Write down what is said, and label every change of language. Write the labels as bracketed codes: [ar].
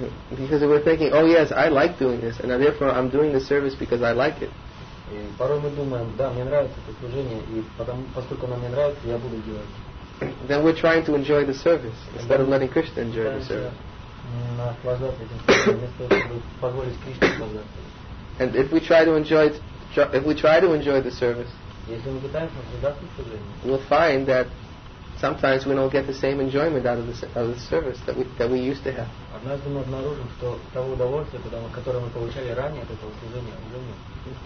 [en] Because we're thinking, oh yes, I like doing this, and therefore I'm doing this service because I like it. [ru] И порой мы думаем, да, мне нравится это служение, и потом, поскольку оно мне нравится, я буду делать. [en] Then we're trying to enjoy the service instead of letting Krishna enjoy the service. [ru] Наслаждаться этим служением вместо того, чтобы позволить Кришне наслаждаться. [en] And if we try to enjoy the service, [ru] если мы пытаемся наслаждаться служением, [en] we'll find that sometimes we don't get the same enjoyment out of the service that we used to have. [ru] Однажды мы обнаружим, что того удовольствия, которое мы получали ранее от этого служения, уже нет.